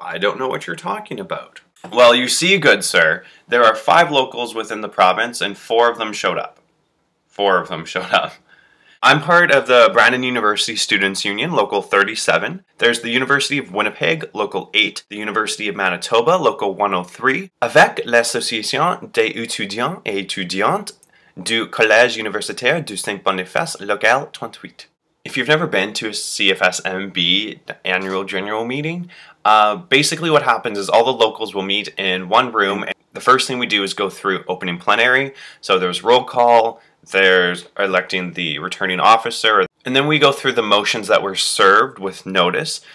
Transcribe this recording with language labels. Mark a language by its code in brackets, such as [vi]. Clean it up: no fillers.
[en] I don't know what you're talking about. Well, you see, good sir, there are 5 locals within the province, and 4 of them showed up. 4 of them showed up. I'm part of the Brandon University Students Union, Local 37. There's the University of Winnipeg, Local 8. The University of Manitoba, Local 103. [fr] Avec l'Association des étudiants et étudiantes du Collège universitaire du Saint-Boniface, Local 28. [en] If you've never been to a CFS-MB annual general meeting, basically what happens is all the locals will meet in one room, and the first thing we do is go through opening plenary. So there's roll call, there's electing the returning officer, and then we go through the motions that were served with notice.